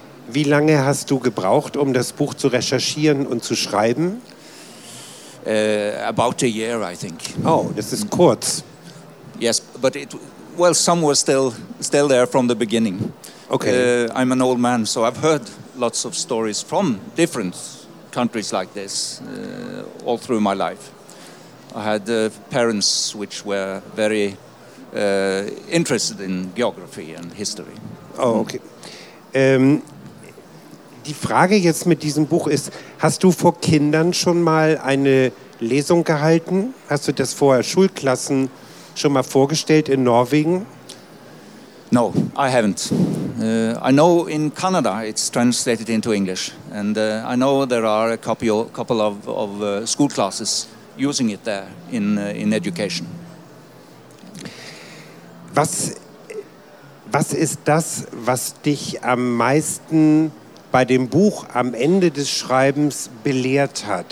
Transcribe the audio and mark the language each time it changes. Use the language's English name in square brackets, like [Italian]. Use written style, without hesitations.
[German] Wie lange hast du gebraucht, um das Buch zu recherchieren und zu schreiben? [English] About a year, I think. Oh, this is [German] kurz. [English] Yes, but some were still there from the beginning. Okay. I'm an old man, so I've heard lots of stories from different countries like this all through my life. I had parents which were very interested in geography and history. Oh, okay. [German] Die Frage jetzt mit diesem Buch ist, hast du vor Kindern schon mal eine Lesung gehalten? Hast du das vorher Schulklassen schon mal vorgestellt in Norwegen? [English] No, I haven't. I know in Canada it's translated into English. And I know there are a couple of school classes using it there in education. [German] Was ist das, was dich am meisten bei dem Buch am Ende des Schreibens belehrt hat?